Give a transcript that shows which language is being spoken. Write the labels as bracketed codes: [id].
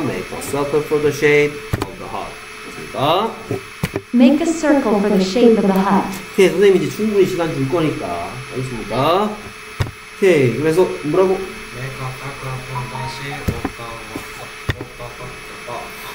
[en] Make a circle for the shape of the heart. [ko] 알겠습니다. [en] Make a circle for the shape of the hut. [ko] 오케이, 선생님 이제 충분히 시간 줄 거니까. 알겠습니다. 오케이, 그래서 뭐라고? [en] Make a circle for the shape of the hut.